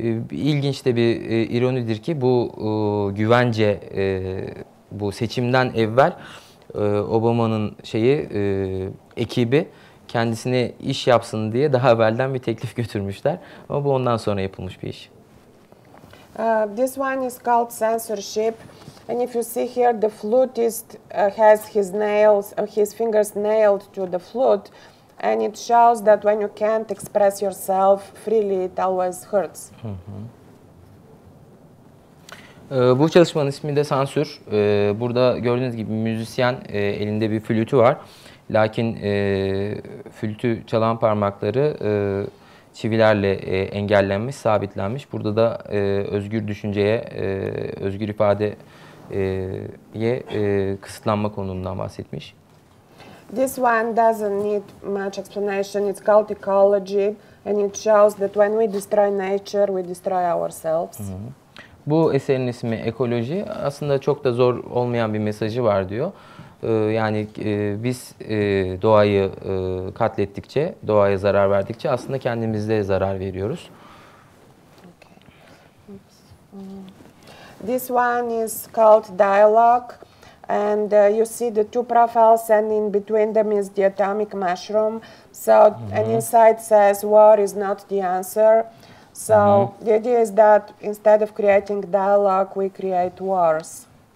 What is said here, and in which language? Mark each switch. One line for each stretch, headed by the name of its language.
Turkish: İlginç de bir ironidir ki bu güvence bu seçimden evvel Obama'nın şeyi ekibi kendisine iş yapsın diye daha evvelden bir teklif götürmüşler ama bu ondan sonra yapılmış bir iş.
English: This one is called censorship, and if you see here, the flutist has his nails, his fingers nailed to the flute, and it shows that when you can't express yourself freely, it always hurts.
Turkish: Bu çalışmanın ismi de sansür. Burada gördüğünüz gibi müzisyen elinde bir flütü var. Lakin flütü çalan parmakları çivilerle engellenmiş, sabitlenmiş. Burada da özgür düşünceye, özgür ifadeye kısıtlanma konumundan bahsetmiş.
English: This one doesn't need much explanation. It's called ecology, and it shows that when we destroy nature, we destroy ourselves.
Turkish: Bu eserin ismi ekoloji. Aslında çok da zor olmayan bir mesajı var diyor. Yani biz doğayı katlettikçe, doğaya zarar verdikçe aslında kendimizde zarar veriyoruz.
English: This one is called dialogue, and you see the two profiles, and in between them is the atomic mushroom. So, and inside says war is not the answer. So the idea is that instead of creating dialogue, we create wars.